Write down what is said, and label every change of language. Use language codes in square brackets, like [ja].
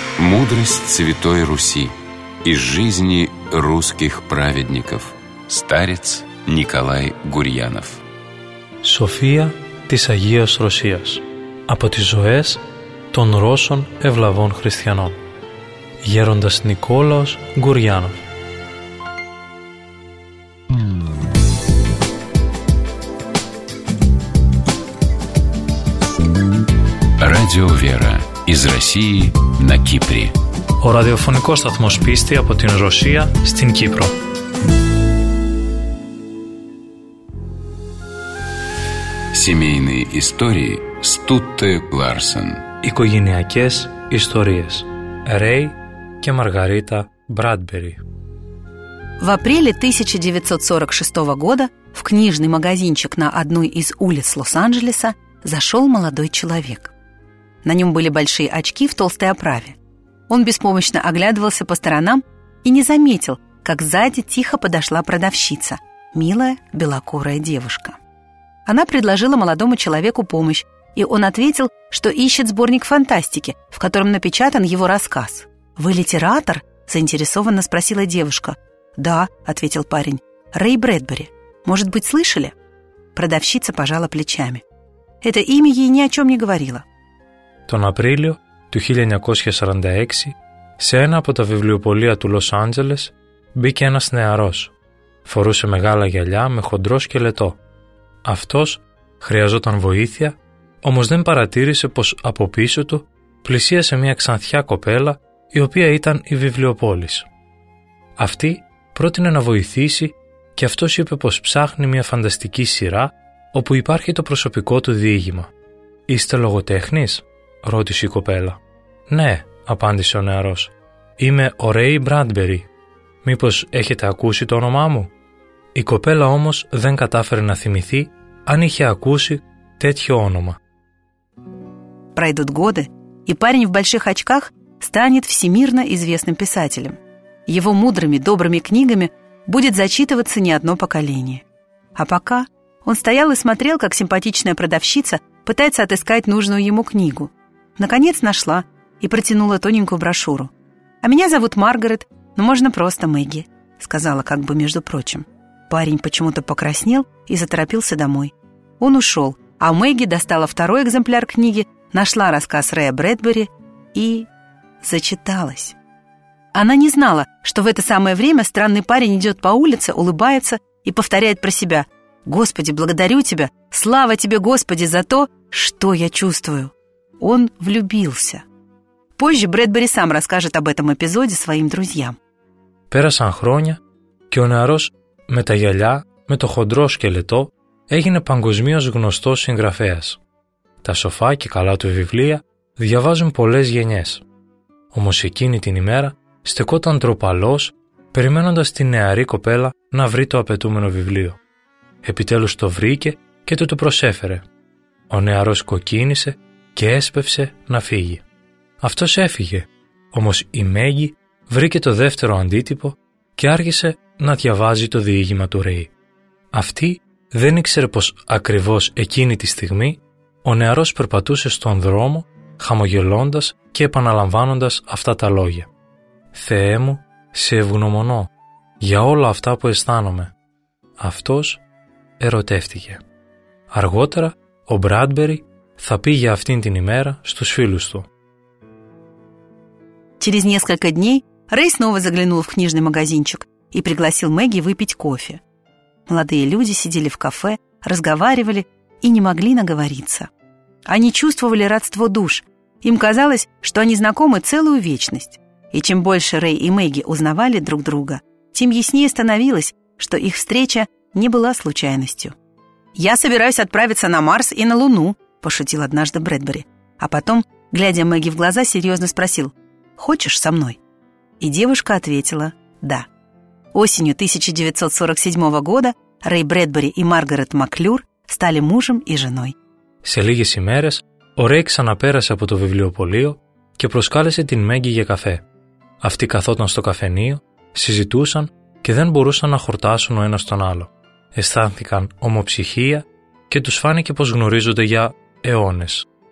[ru] Мудрость Святой Руси из жизни русских праведников. Старец Николай Гурьянов. [el] София της Αγίας Ρωσίας. Από τις ζωές των Ρώσων ευλαβών χριστιανών. Γέροντας Νικόλαος Γκουριάνοφ. [ru] Радио Вера. Из России на Кипре. [el] Ο ραδιοφωνικός σταθμός πίστη από την Ρωσία στην Κύπρο. [ru] Семейные истории Стутте Ларсен. [el] Οικογενειακές ιστορίες. Ρέι και Μαργαρίτα Μπράντμπερι. [ru] В апреле 1946 года в книжный магазинчик на одной из улиц Лос-Анджелеса зашел молодой человек. На нем были большие очки в толстой оправе. Он беспомощно оглядывался по сторонам и не заметил, как сзади тихо подошла продавщица, милая белокурая девушка. Она предложила молодому человеку помощь, и он ответил, что ищет сборник фантастики, в котором напечатан его рассказ. «Вы литератор?» – заинтересованно спросила девушка. «Да», – ответил парень, – «Рэй Брэдбери. Может быть, слышали?» Продавщица пожала плечами. Это имя ей ни о чем не говорило. [el] Τον Απρίλιο του 1946 Σε ένα από τα βιβλιοπωλεία του Λος Άντζελες μπήκε ένας νεαρός. Φορούσε μεγάλα γυαλιά με χοντρό σκελετό. Αυτός χρειαζόταν βοήθεια, όμως δεν παρατήρησε πως από πίσω του πλησίασε μια ξανθιά κοπέλα η οποία ήταν η βιβλιοπόλης. Αυτή πρότεινε να βοηθήσει και αυτός είπε πως ψάχνει μια φανταστική σειρά όπου υπάρχει το προσωπικό του διήγημα. «Είστε λογοτέχνης?» ρώτησε η κοπέλα. «Ναι», απάντησε ο νεαρός. «Είμαι ο Ρέι Μπράντμπερι. Μήπως έχετε ακούσει το όνομά μου?» Η κοπέλα όμως δεν κατάφερε να θυμηθεί αν είχε ακούσει τέτοιο όνομα. [ru] Пройдут годы, и парень в больших очках станет всемирно известным писателем. Его мудрыми, добрыми книгами будет зачитываться не одно поколение. А пока он стоял и смотрел, как симпатичная продавщица пытается отыскать нужную ему книгу. Наконец нашла и протянула тоненькую брошюру. «А меня зовут Маргарет, но можно просто Мэгги», сказала как бы между прочим. Парень почему-то покраснел и заторопился домой. Он ушел, а Мэгги достала второй экземпляр книги, нашла рассказ Рэя Брэдбери и зачиталась. Она не знала, что в это самое время странный парень идет по улице, улыбается и повторяет про себя: «Господи, благодарю тебя! Слава тебе, Господи, за то, что я чувствую!» Он влюбился. Позже Брэдбери сам расскажет об этом эпизоде своим друзьям. [el] Пэрасан хроня, и он нарос, με τα γυαλιά, με το χοντρό σκελετό, έγινε παγκοσμίως γνωστός συγγραφέας. Τα σοφά και καλά του βιβλία διαβάζουν πολλές γενιές. Όμως εκείνη την ημέρα στεκόταν ντροπαλός, περιμένοντας τη νεαρή κοπέλα να βρει το απαιτούμενο βιβλίο. Επιτέλους το βρήκε και του το προσέφερε. Ο νεαρός κοκκίνησε και έσπευσε να φύγει. Αυτός έφυγε, όμως η Μέγγι βρήκε το δεύτερο αντίτυπο και άρχισε να διαβάζει το διήγημα του Ρέι. Αυτή δεν ήξερε πως ακριβώς εκείνη τη στιγμή ο νεαρός περπατούσε στον δρόμο χαμογελώντας και επαναλαμβάνοντας αυτά τα λόγια: «Θεέ μου, σε ευγνωμονώ για όλα αυτά που αισθάνομαι». Αυτός ερωτεύτηκε. Αργότερα ο Μπράντμπερι θα πήγε αυτήν την ημέρα στους φίλους του. [ru] Через несколько дней Рэй снова заглянул в книжный магазинчик и пригласил Мэгги выпить кофе. Молодые люди сидели в кафе, разговаривали и не могли наговориться. Они чувствовали родство душ. Им казалось, что они знакомы целую вечность. И чем больше Рэй и Мэгги узнавали друг друга, тем яснее становилось, что их встреча не была случайностью. «Я собираюсь отправиться на Марс и на Луну», – пошутил однажды Брэдбери. А потом, глядя Мэгги в глаза, серьезно спросил: «Хочешь со мной?» И девушка ответила: «Да». Осенью 1947 года Рэй Брэдбери и Маргарет Маклюр стали мужем и женой. [el] Σε λίγες ημέρες, ο Ρέι ξαναπέρασε από το βιβλιοπωλείο και προσκάλεσε την Μέγγι για καφέ. Αυτοί καθόταν στο καφενείο, συζητούσαν και δεν μπορούσαν να χορτάσουν ο ένας τον άλλο. Αισθάνθηκαν ομοψυχία και τους φάνηκε πως γνωρίζονται για αιώνες.